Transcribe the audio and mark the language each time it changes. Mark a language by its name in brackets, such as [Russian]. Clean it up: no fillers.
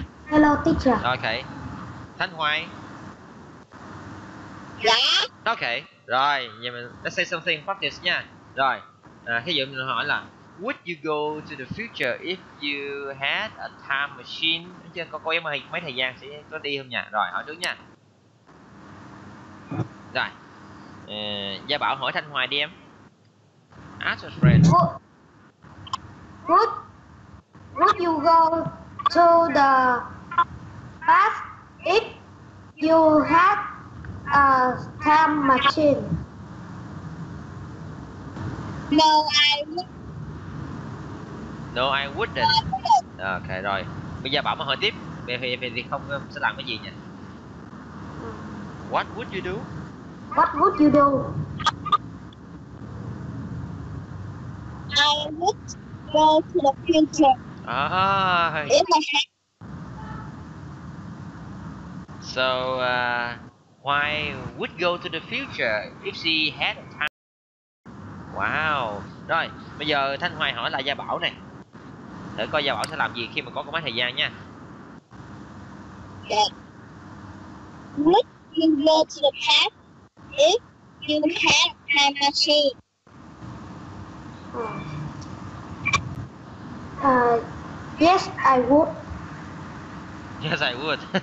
[English] Hello, teacher. Okay. Thanh Hoài. Yeah. [Vietnamese] Okay. Rồi, giờ mình [English] let's say something practice [Vietnamese] nha. Rồi. Thí dụ mình hỏi là [English] would you go to the future if you had a time machine? [Vietnamese] Đúng chưa? Có em ơi, mấy thời gian sẽ có đi không nhỉ? Rồi, hỏi trước nha. Rồi. Gia Bảo hỏi Thanh Hoài đi em. [English] Ask your friend. Would you go to the past if you had a time machine? No, I would. No, I wouldn't. [Vietnamese] Ok, rồi. Bây giờ Bảo mới hỏi tiếp. Vậy thì không sẽ làm cái gì nhỉ? [English] What would you do? What would you do? I would go to the future. Ah. So, why would go to the future if she had time? Wow. [Vietnamese] Rồi, bây giờ Thanh Hoài hỏi lại Gia Bảo này. Để coi Gia Bảo sẽ làm gì khi mà có mấy thời gian nha. [English] Would you go to the past if you had a time machine? Yes, I would. Yes, I would.